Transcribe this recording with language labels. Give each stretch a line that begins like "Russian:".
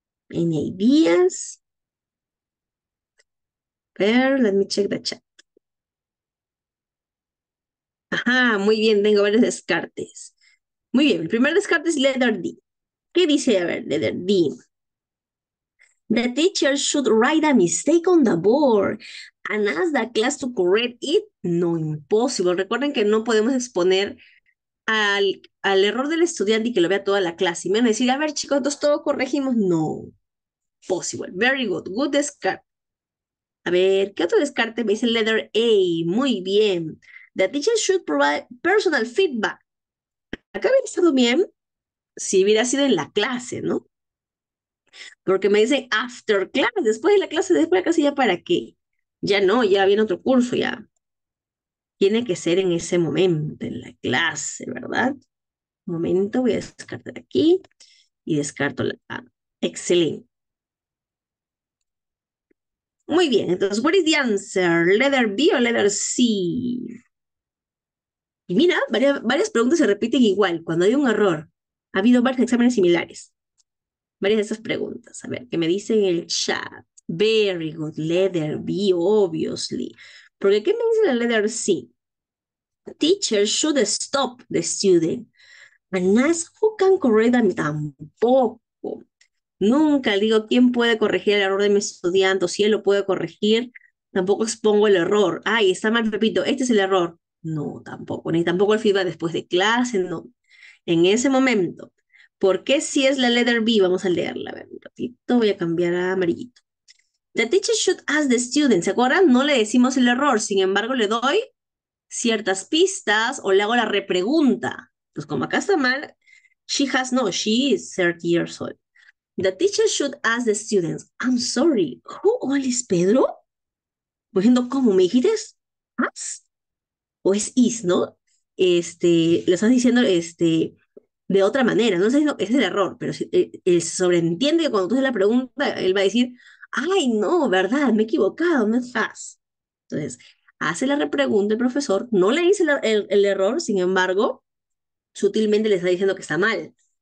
Spanish: Ideas.
English: Ver, let me check the chat.
Spanish: Ajá, muy bien, tengo varios descartes. Muy bien, el primer descarte es letter D. ¿Qué dice? A ver, letter D.
English: The teacher should write a mistake on the board and ask the class to correct it.
Spanish: No, imposible. Recuerden que no podemos exponer al error del estudiante y que lo vea toda la clase. Y menos decir, a ver, chicos, entonces todo corregimos.
English: No. Possible. Very good. Good descart.
Spanish: A ver, ¿qué otro descarte? Me dice letter A. Muy bien.
English: The teacher should provide personal feedback.
Spanish: Acá hubiera estado bien si hubiera sido en la clase, ¿no? Porque me dicen
English: after class,
Spanish: después de la clase, después de la clase, ¿ya para qué? Ya no, ya viene otro curso, ya. Tiene que ser en ese momento, en la clase, ¿verdad? Momento, voy a descartar aquí y descarto la A. Excelente. Muy bien, entonces,
English: what is the answer? ¿Letter B o letter C?
Spanish: Y mira, varias preguntas se repiten igual. Cuando hay un error, ha habido varios exámenes similares. Varias de esas preguntas. A ver, ¿qué me dice en el chat?
English: Very good. Letter B, obviously.
Spanish: Porque, ¿qué me dice la letter C?
English: Teacher should stop the student. And ask who can correct them.
Spanish: Tampoco. Nunca digo quién puede corregir el error de mi estudiante o si él lo puede corregir. Tampoco expongo el error. Ay, está mal, Pepito. Este es el error. No, tampoco. Ni tampoco el feedback después de clase. No. En ese momento. ¿Por qué si es la letter B? Vamos a leerla. A ver, un ratito. Voy a cambiar a amarillito.
English: The teacher should ask the student.
Spanish: ¿Se acuerdan? No le decimos el error. Sin embargo, le doy ciertas pistas o le hago la repregunta. Pues como acá está mal,
English: she has no. She is 30 years old. The teacher should ask the students, I'm sorry, who all is Pedro?
Spanish: Bueno, ¿cómo me dijiste? ¿Us? O es is, ¿no? Lo estás diciendo de otra manera, no sé, ese es el error, pero si, sobreentiende que cuando tú haces la pregunta, él va a decir, ay, no, ¿verdad? Me he equivocado, no es us. Entonces, hace la repregunta el profesor, no le dice el error, sin embargo, sutilmente le está diciendo que está mal.